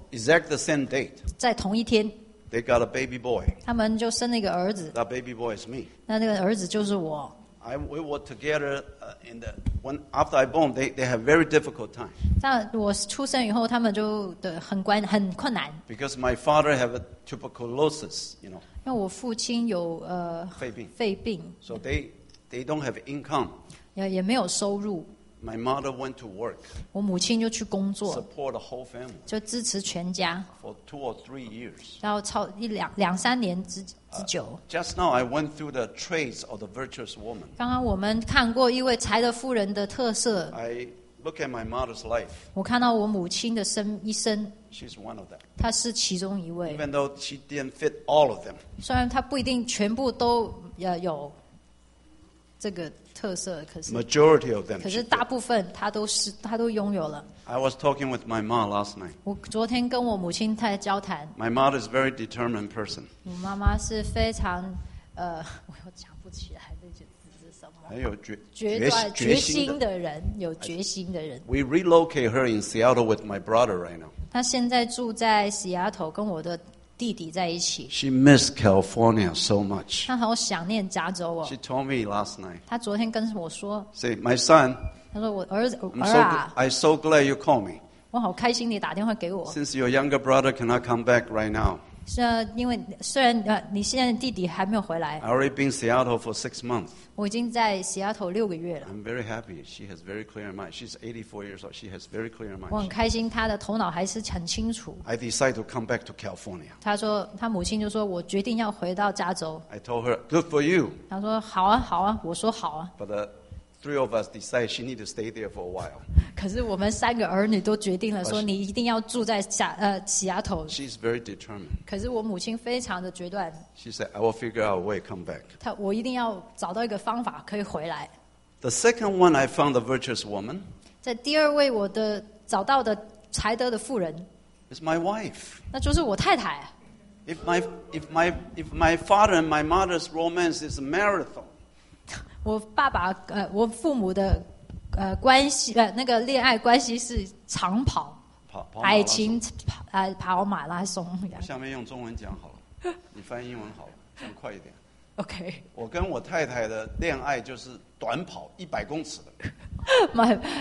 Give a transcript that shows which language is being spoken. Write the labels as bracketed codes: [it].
[en] exact the same date. [zh] 在同一天, [en] they got a baby boy. [zh] 他们就生了一个儿子。 [en] That baby boy is me. [zh] 那个儿子就是我。 [en] We were together after I born, they had a very difficult time. [zh] 但我出生以后, 他们就很困难。 [en] Because my father had a tuberculosis, you know. [zh] 因为我父亲有, [en] 肺病。So they don't have income. [zh] 也没有收入。 [en] My mother went to work. [zh] 我母亲就去工作。 [en] Support the whole family. [zh] 就支持全家。 [en] For 2 or 3 years. [zh] 然后两三年之久。 [en] Just now I went through the traits of the virtuous woman. [zh] 刚刚我们看过一位才德夫人的特色。 [en] I Look at my mother's life. [zh] 我看到我母亲的生一生。 [en] She's one of them. [zh] 她是其中一位。 [en] Even though she didn't fit all of them. [zh] 虽然她不一定全部都有这个特色，可是 [en] majority of them. [zh] 可是大部分她都是她都拥有了。 [en] I was talking with my mom last night. [zh] 我昨天跟我母亲在交谈。 [en] My mother is a very determined person. [zh] 我妈妈是非常我又讲不起来。还有决心的人，有决心的人。 [en] We relocate her in Seattle with my brother right now. [zh] 她现在住在西雅图，跟我的弟弟在一起。 [en] She missed California so much. [zh] 她好想念加州哦。 [en] She told me last night. [zh] 她昨天跟我说。 [en] Say my son. [zh] 她说我儿子。 [en] I'm so glad you call me. [zh] 我好开心你打电话给我。 [en] Since your younger brother cannot come back right now. [zh] 是啊，因为虽然你现在弟弟还没有回来。 [en] I already been Seattle for 6 months. [zh] 我已经在西雅图六个月了。 [en] I'm very happy. She has very clear mind. She's 84 years old. She has very clear mind. [zh] 我很开心，她的头脑还是很清楚。 [en] I decide to come back to California. [zh] 她说，她母亲就说，我决定要回到加州。 [en] I told her, good for you. [zh] 她说，好啊，好啊。我说，好啊。 [en] But the three of us decide she need to stay there for a while. [zh] 可是我们三个儿女都决定了，说你一定要住在西雅图。 [en] She's very determined. [zh] 可是我母亲非常的决断。 [en] She said, "I will figure out a way to come back." [zh] 她我一定要找到一个方法可以回来。 [en] The second one I found the virtuous woman. [zh] 在第二位我的找到的才德的妇人。 [en] Is my wife. [zh] 那就是我太太。 [en] If my father and my mother's romance is a marathon. [zh] 我爸爸我父母的关系那个恋爱关系是长跑，爱情跑马拉松。下面用中文讲好了，你翻英文好了，这样快一点。 OK。我跟我太太的恋爱就是短跑100公尺的。